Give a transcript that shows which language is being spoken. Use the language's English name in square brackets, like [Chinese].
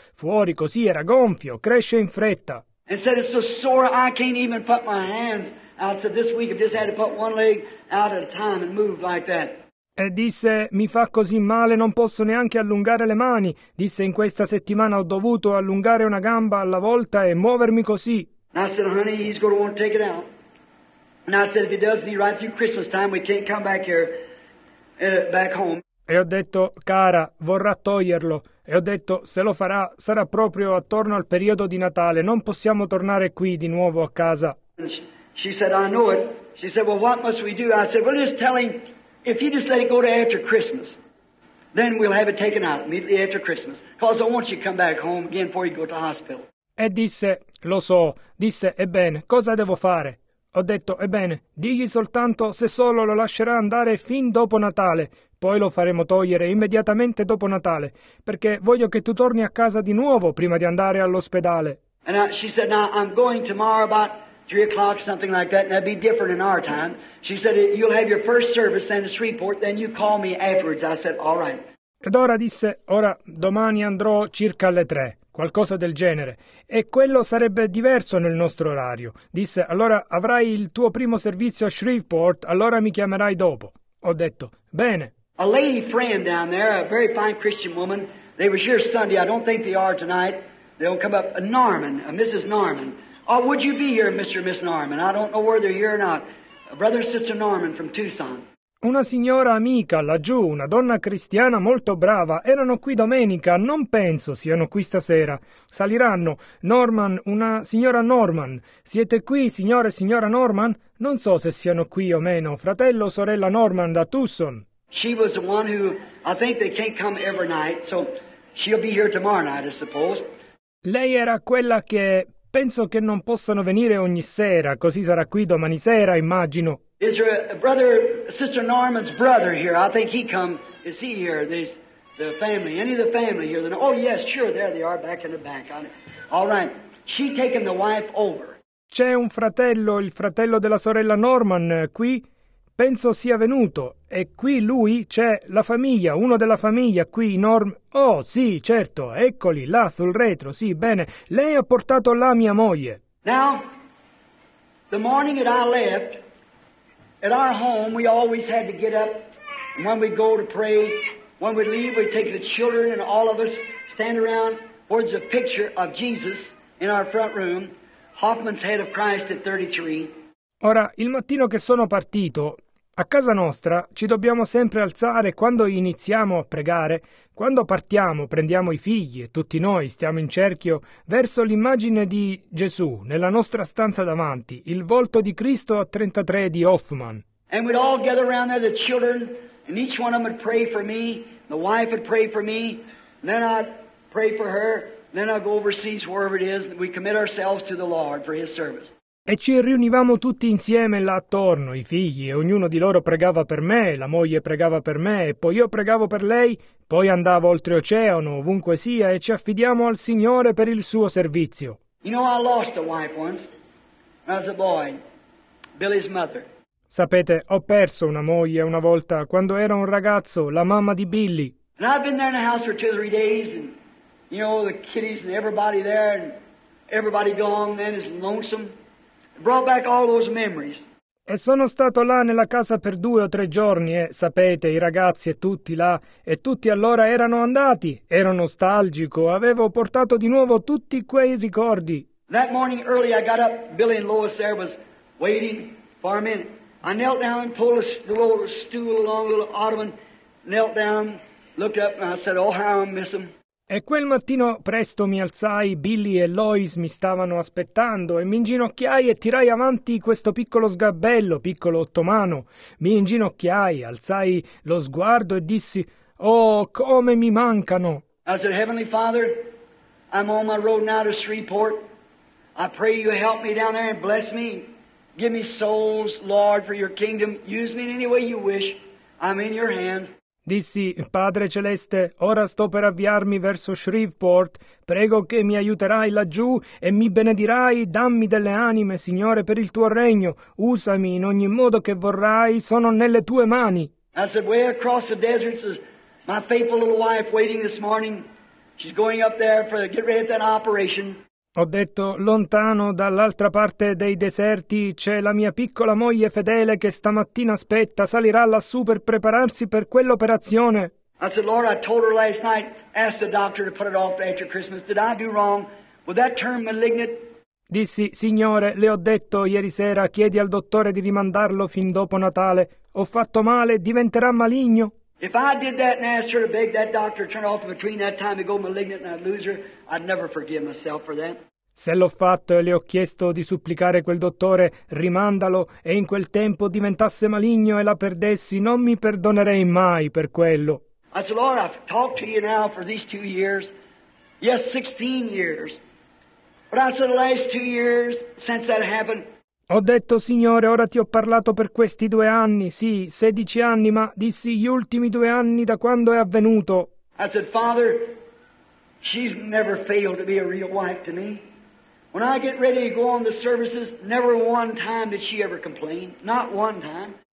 [Italian] Fuori così era gonfio. Cresce in fretta. [English] And said, it's so sore I can't even put my hands out. So this week I've just had to put one leg out at a time and move like that. [Italian] E disse, mi fa così male, non posso neanche allungare le mani. Disse, in questa settimana ho dovuto allungare una gamba alla volta e muovermi così. [English] And I said, honey, he's going to want to take it out. And I said, if he does, be right through Christmas time, we can't come back here, back home. [Italian] E ho detto, cara, vorrà toglierlo. E ho detto, se lo farà, sarà proprio attorno al periodo di Natale. Non possiamo tornare qui di nuovo a casa. [English] She said, I know it. She said, well, what must we do? I said, well, just tell him. If you just let it go to after Christmas, then we'll have it taken out immediately after Christmas. Because I want you to come back home again before you go to the hospital. [Italian] E disse, lo so. Disse, ebbene, cosa devo fare? Ho detto, ebbene, digli soltanto se solo lo lascerà andare fin dopo Natale. Poi lo faremo togliere immediatamente dopo Natale. Perché voglio che tu torni a casa di nuovo prima di andare all'ospedale. [English] And she said, now I'm going tomorrow about 3 o'clock, something like that, and that'd be different in our time. She said, you'll have your first service, send us a report, then you call me afterwards. I said, all right. [Italian] Ed ora disse, ora domani andrò circa alle 3, qualcosa del genere. E quello sarebbe diverso nel nostro orario. Disse, allora avrai il tuo primo servizio a Shreveport, allora mi chiamerai dopo. Ho detto, bene. [English] A lady friend down there, a very fine Christian woman, they was here Sunday, I don't think they are tonight. They'll come up, a Mrs. Norman. Oh, would you be here, Mr. and Miss Norman? I don't know whether you're here or not. A brother and sister Norman from Tucson. [Italian] Una signora amica laggiù, una donna cristiana molto brava, erano qui domenica, non penso siano qui stasera. Saliranno. Norman, una signora Norman. Siete qui, signore e signora Norman? Non so se siano qui o meno, fratello o sorella Norman da Tucson. [English] She was the one who, I think they can't come every night, so she'll be here tomorrow night, I suppose. [Italian] Lei era quella che... Penso che non possano venire ogni sera, così sarà qui domani sera, immagino. [English] Is there a brother, sister Norman's brother here? I think he come, is he here, the family, any of the family here? Oh yes, sure, there they are, back in the back. All right, she taken the wife over. [Italian] C'è un fratello, il fratello della sorella Norman, qui? Penso sia venuto. E qui lui, c'è la famiglia, uno della famiglia, qui Norm... Oh, sì, certo, eccoli, là sul retro, sì, bene. Lei ha portato là mia moglie. [English] Now, the morning that I left, at our home we always had to get up, and when we go to pray, when we leave we take the children and all of us stand around towards a picture of Jesus in our front room, Hoffman's Head of Christ at 33. [Italian] Ora, il mattino che sono partito, a casa nostra ci dobbiamo sempre alzare quando iniziamo a pregare, quando partiamo prendiamo i figli e tutti noi stiamo in cerchio verso l'immagine di Gesù nella nostra stanza davanti, il volto di Cristo a 33 di Hoffman. [English] And we'd all gather around there, the children, and each one of them would pray for me, the wife would pray for me, and then I'd pray for her, and then I'd go overseas wherever it is, and we commit ourselves to the Lord for his service. [Italian] E ci riunivamo tutti insieme là attorno, i figli, e ognuno di loro pregava per me, la moglie pregava per me, e poi io pregavo per lei, poi andavo oltreoceano, ovunque sia, e ci affidiamo al Signore per il suo servizio. [English] You know, I lost a wife once, as a boy, Billy's mother. [Italian] Sapete, ho perso una moglie una volta, quando era un ragazzo, la mamma di Billy. [English] And I've been there in the house for two or three days, and you know, the kiddies and everybody there, and everybody gone, then is lonesome. Brought back all those memories. [Italian] E sono stato là nella casa per due o tre giorni e, sapete, i ragazzi e tutti là, e tutti allora erano andati. Ero nostalgico, avevo portato di nuovo tutti quei ricordi. [English] That morning early I got up, Billy and Lois there was waiting for a minute. I knelt down, pulled the little stool along, little ottoman, knelt down, looked up and I said, oh how I miss them. [Italian] E quel mattino presto mi alzai, Billy e Lois mi stavano aspettando e mi inginocchiai e tirai avanti questo piccolo sgabello, piccolo ottomano. Mi inginocchiai, alzai lo sguardo e dissi, oh, come mi mancano! [English] I said, Heavenly Father, I'm on my road now to Shreveport. I pray you help me down there and bless me. Give me souls, Lord, for your kingdom. Use me in any way you wish. I'm in your hands. [Italian] Dissi, Padre Celeste, ora sto per avviarmi verso Shreveport, prego che mi aiuterai laggiù e mi benedirai, dammi delle anime, Signore, per il tuo regno, usami in ogni modo che vorrai, sono nelle tue mani. [English] I said, way across the desert is my faithful little wife waiting this morning, she's going up there for the get ready for that operation. [Italian] Ho detto, lontano dall'altra parte dei deserti c'è la mia piccola moglie fedele che stamattina aspetta, salirà lassù per prepararsi per quell'operazione. [English] I said, Lord, I told her last night, asked the doctor to put it off after Christmas. Did I do wrong? Would that turn malignant? [Italian] Dissi, Signore, le ho detto ieri sera, chiedi al dottore di rimandarlo fin dopo Natale. Ho fatto male, diventerà maligno. [English] If I did that and asked her to beg that doctor to turn off between that time and go malignant and I'd lose her, I'd never forgive myself for that. [Italian] Se l'ho fatto e le ho chiesto di supplicare quel dottore, rimandalo, e in quel tempo diventasse maligno e la perdessi, non mi perdonerei mai per quello. [English] I said, Lord, I've talked to you now for these 2 years. Yes, 16 years. But I said, the last 2 years since that happened. [Italian] Ho detto, Signore, ora ti ho parlato per questi 2 anni, sì, 16 anni, ma dissi gli ultimi 2 anni da quando è avvenuto. [English] I said, Father, she's never failed to be a real wife to me. When I get ready to go on the services, never one time did she ever complain, not one time.